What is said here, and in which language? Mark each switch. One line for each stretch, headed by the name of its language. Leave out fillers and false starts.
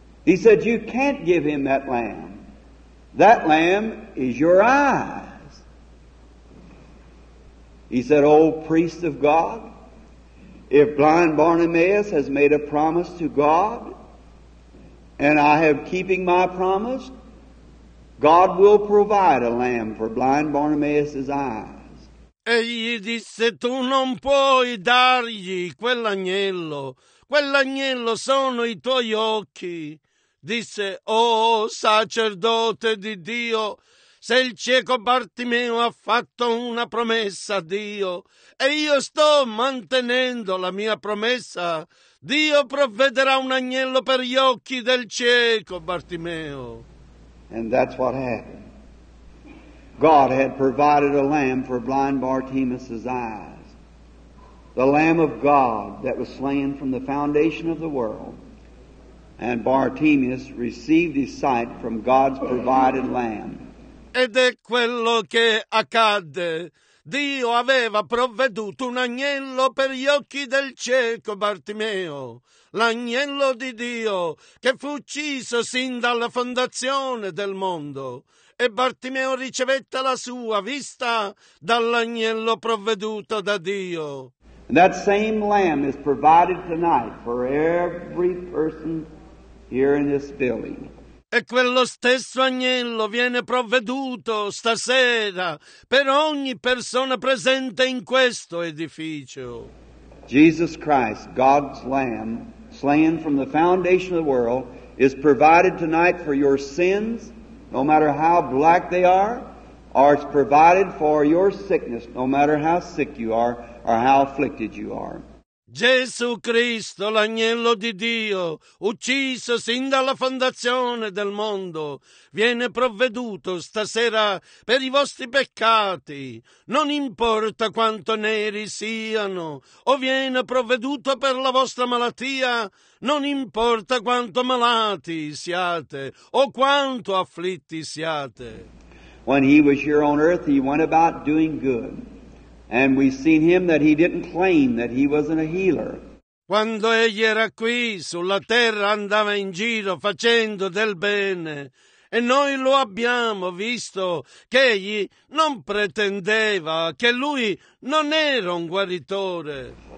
English: He said, you can't give him that lamb. That lamb is your eyes. He said, oh, priest of God, if blind Barnabas has made a promise to God, and I have keeping my promise, God will provide a lamb for blind Barnabas' eyes.
Italian: Egli disse, tu non puoi dargli quell'agnello. Quell'agnello sono i tuoi occhi. Disse, oh sacerdote di Dio, se il cieco Bartimeo ha fatto una promessa a Dio e io sto mantenendo la mia promessa, Dio provvederà un agnello per gli occhi del cieco Bartimeo.
English: And that's what happened. God had provided a lamb for blind Bartimaeus' eyes. The lamb of God that was slain from the foundation of the world. And Bartimaeus received his sight from God's provided lamb.
Italian: Ed è quello che accadde. Dio aveva provveduto un agnello per gli occhi del cieco Bartimeo, l'agnello di Dio che fu ucciso sin dalla fondazione del mondo. E Bartimeo ricevette la sua vista dall'agnello provveduto da Dio.
English: And that same lamb is provided tonight for every person here in this building.
Italian: E quello stesso agnello viene provveduto stasera per ogni persona presente in questo edificio.
English: Jesus Christ, God's Lamb, slain from the foundation of the world, is provided tonight for your sins, no matter how black they are, or it's provided for your sickness, no matter how sick you are, or how afflicted you are.
Italian: Gesù Cristo, l'agnello di Dio, ucciso sin dalla fondazione del mondo, viene provveduto stasera per i vostri peccati, non importa quanto neri siano, o viene provveduto per la vostra malattia, non importa quanto malati siate, o quanto afflitti siate.
English: When he was here on earth, he went about doing good. And we've seen him that he didn't claim that he wasn't a healer.
Italian: Quando egli era qui sulla terra andava in giro facendo del bene, e noi lo abbiamo visto che egli non pretendeva, che lui non era un guaritore.